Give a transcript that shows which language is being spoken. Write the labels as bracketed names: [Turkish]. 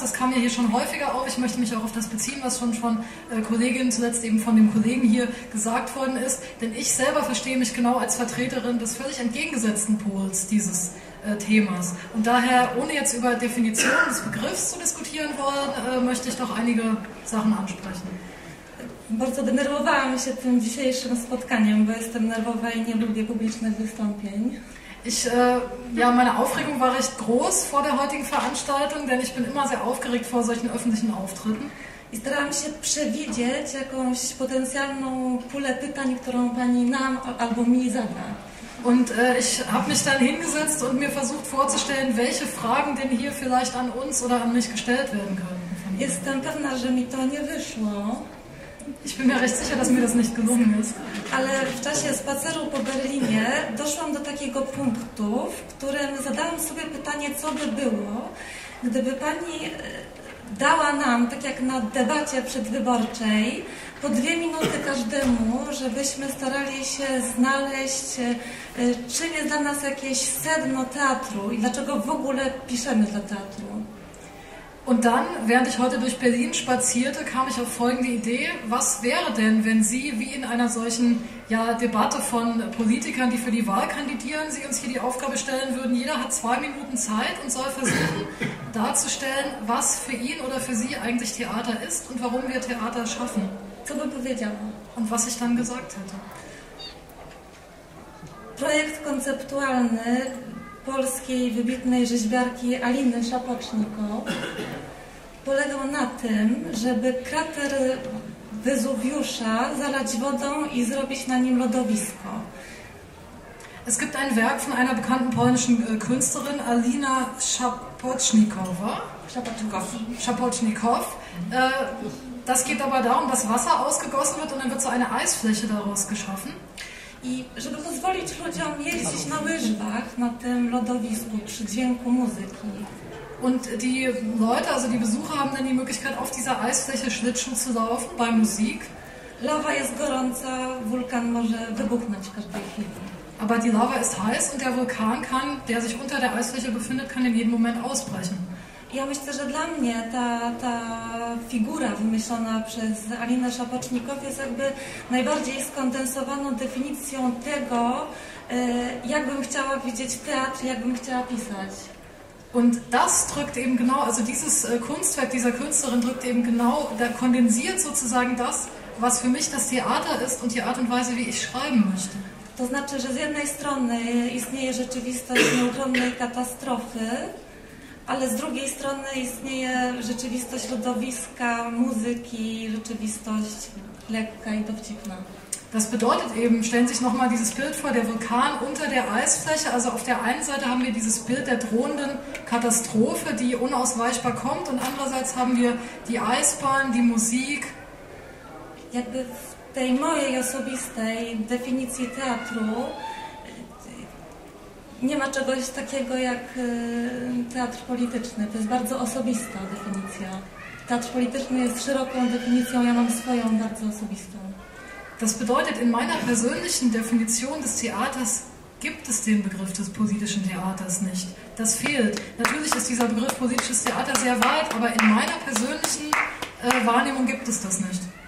[German] Das kam ja hier schon häufiger auf. Ich möchte mich auch auf das beziehen, was schon von Kolleginnen zuletzt eben von dem Kollegen hier gesagt worden ist. Denn ich selber verstehe mich genau als Vertreterin des völlig entgegengesetzten Pols dieses Themas. Und daher, ohne jetzt über Definitionen des Begriffs zu diskutieren wollen, möchte ich doch einige Sachen ansprechen. [Polish] Bardzo denerwowałam się tym dzisiejszym spotkaniem, bo jestem nerwowa i nie lubię publicznych wystąpień. [German] Meine Aufregung war recht groß vor der heutigen Veranstaltung, denn ich bin immer sehr aufgeregt vor solchen öffentlichen Auftritten. [Polish] I starałam się przewidzieć jakąś potencjalną pulę pytań, którą pani nam albo mi zada. [German] Und ich habe mich dann hingesetzt und mir versucht vorzustellen, welche Fragen denn hier vielleicht an uns oder an mich gestellt werden können. [Polish] Jestem pewna, że mi to nie wyszło. [German] Ich bin mir recht sicher, dass mir das nicht gelungen ist. [Polish] Ale w czasie spaceru po Berlinie doszłam do takiego punktu, w którym zadałam sobie pytanie, co by było, gdyby pani dała nam, tak jak na debacie przedwyborczej, po 2 minuty każdemu, żebyśmy starali się znaleźć, czym jest dla nas jakieś sedno teatru i dlaczego w ogóle piszemy dla teatru. [German] Und dann, während ich heute durch Berlin spazierte, kam ich auf folgende Idee. Was wäre denn, wenn Sie, wie in einer solchen Debatte von Politikern, die für die Wahl kandidieren, Sie uns hier die Aufgabe stellen würden, jeder hat 2 Minuten Zeit und soll versuchen darzustellen, was für ihn oder für Sie eigentlich Theater ist und warum wir Theater schaffen. Und was ich dann gesagt hätte. [Polish] Projekt konzeptualny polskiej wybitnej rzeźbiarki Aliny Szapocznikow polegał na tym, żeby krater Wezuwiusza zalać wodą i zrobić na nim lodowisko. [German] Es gibt ein Werk von einer bekannten polnischen Künstlerin Alina Szapocznikowa. Szapocznikow. Das geht aber darum, dass Wasser ausgegossen wird und dann wird so eine Eisfläche daraus geschaffen. [Polish] I żeby pozwolić ludziom jeździć na łyżwach na tym lodowisku przy dźwięku muzyki. [German] Und die Leute, also die Besucher haben dann die Möglichkeit auf dieser Eisfläche Schlittschuh zu laufen bei Musik. [Polish] Lawa jest gorąca, wulkan może wybuchnąć każdej chwili. [German] Aber die Lava ist heiß und der Vulkan kann, der sich unter der Eisfläche befindet, kann in jedem Moment ausbrechen. [Polish] Ja myślę, że dla mnie ta figura wymyślona przez Alinę Szapocznikow jest jakby najbardziej skondensowaną definicją tego, jak bym chciała widzieć teatr, jak bym chciała pisać. [German] Und das drückt eben genau, also dieses Kunstwerk dieser Künstlerin drückt eben genau, da kondensiert sozusagen das, was für mich das Theater ist und die Art und Weise, wie ich schreiben möchte. [Polish] To znaczy, że z jednej strony istnieje rzeczywistość nieuchronnej katastrofy, ale z drugiej strony istnieje rzeczywistość środowiska, muzyki, rzeczywistość lekka i dowcipna. [German] Das bedeutet eben, stellen Sie sich nochmal dieses Bild vor, der Vulkan unter der Eisfläche, also auf der einen Seite haben wir dieses Bild der drohenden Katastrophe, die unausweichbar kommt, und andererseits haben wir die Eisbahn, die Musik. [Polish] Jakby w tej mojej osobistej definicji teatru nie ma czegoś takiego jak teatr polityczny, to jest bardzo osobista definicja. Teatr polityczny jest szeroką definicją, ja mam swoją bardzo osobistą. [German] Das bedeutet, in meiner persönlichen Definition des Theaters gibt es den Begriff des politischen Theaters nicht. Das fehlt. Natürlich ist dieser Begriff politisches Theater sehr weit, aber in meiner persönlichen Wahrnehmung gibt es das nicht.